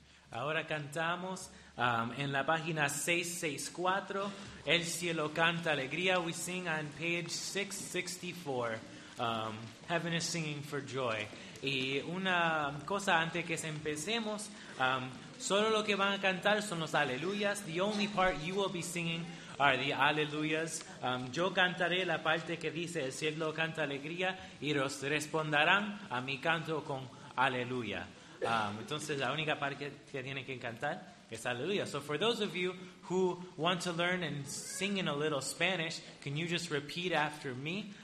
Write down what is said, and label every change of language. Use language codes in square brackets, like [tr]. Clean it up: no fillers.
[es] Ahora cantamos en la página 664, El cielo canta alegría. [en] We sing on page 664, Heaven is singing for joy. [es] Y una cosa antes que empecemos, solo lo que van a cantar son los aleluyas. [en] The only part you will be singing are the aleluyas. [es] Yo cantaré la parte que dice el cielo canta alegría y los responderán a mi canto con aleluya. Entonces la única parte que tienen que cantar es aleluya. [en] So for those of you who want to learn and sing in a little Spanish, can you just repeat after me?